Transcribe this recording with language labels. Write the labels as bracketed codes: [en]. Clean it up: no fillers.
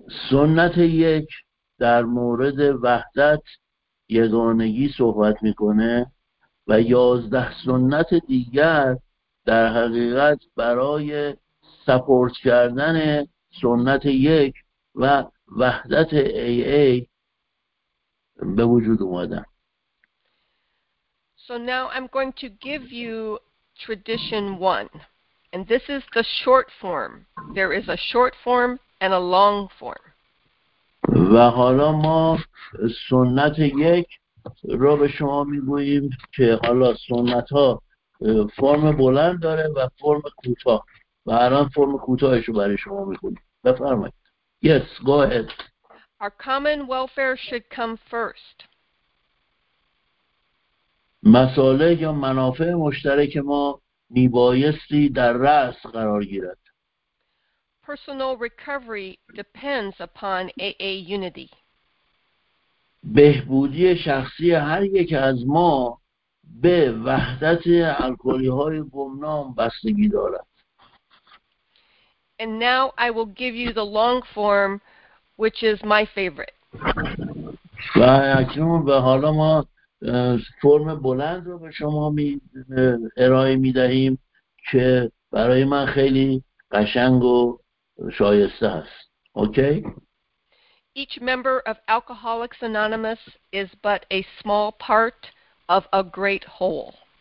[fa] سنت یک در مورد وحدت یگانگی صحبت میکنه و 11 سنت دیگر در حقیقت برای سپورت کردن سنت یک و وحدت AA به وجود اومدن. [en] So now I'm going to give you tradition one. And this is the short form. There is a short form and a long form. [fa] و حالا ما سنت یک را به شما میگوییم که حالا سنت ها فرم بلند داره و فرم کوتاه. و الان فرم کوتاهش رو برای شما میخونیم. بفرمایید. [en] Yes, go ahead. Our common welfare should come first. [fa] مساله یا منافع مشترک ما میبایستی در رأس قرار گیرد. [en] Personal recovery depends upon AA unity. [fa] بهبودی شخصی هر یک از ما به وحدت الکلی های گمنام بستگی دارد. [en] And now I will give you the long form, which is my favorite. [fa] و اکنون به حالا ما فرم بلند رو به شما ارائه می دهیم که برای من خیلی قشنگ و شایسته است. [en] Okay? Each member of Alcoholics Anonymous is but a small part of a great whole.